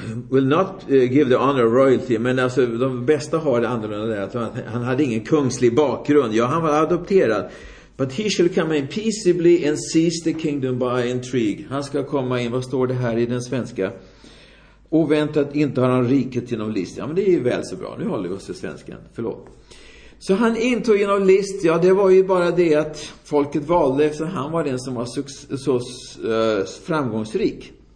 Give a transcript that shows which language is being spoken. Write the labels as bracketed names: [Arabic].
[English] Will not give the honor of royalty. [Swedish] Men alltså, de bästa har det annorlunda där, att han hade ingen kungslig bakgrund. Ja, han var adopterad. [English] But he shall come in peaceably and seize the kingdom by intrigue. [Swedish] Han ska komma in, vad står det här i den svenska? Oväntat, inte har han riket genom list. Ja, men det är ju väl så bra. Nu håller vi oss till svenskan. Förlåt. Så han intog genom list. Ja, det var ju bara det att folket valde, eftersom han var den som var så framgångsrik.